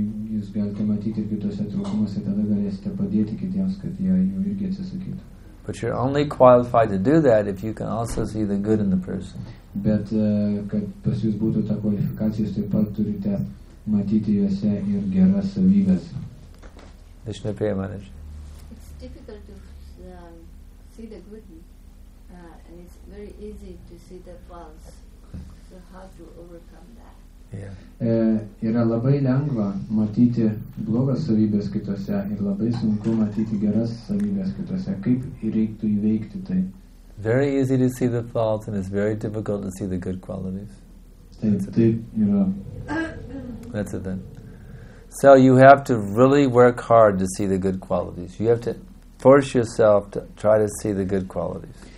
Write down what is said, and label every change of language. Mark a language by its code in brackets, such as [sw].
[lt] Jūs galite matyti kitose trūkumose, tada galėsite padėti kitiems, kad jie jų irgi atsisakytų. [en] But you're only qualified to do that if you can also see the good in the person. [lt] Bet kad pas jūs būtų ta kvalifikacija, jūs taip pat turite matyti juose ir geras savybės. [en] It's difficult to see the good and it's very easy to see the false. So how to overcome that? [lt] Yra labai lengva matyti blogas savybės kitose ir labai sunku matyti geras savybės kitose. Kaip reiktų įveikti tai? [en] Very easy to see the faults and it's very difficult to see the good qualities. [lt] Taip yra. [en] That's it then. So you have to really work hard to see the good qualities. You have to force yourself to try to see the good qualities.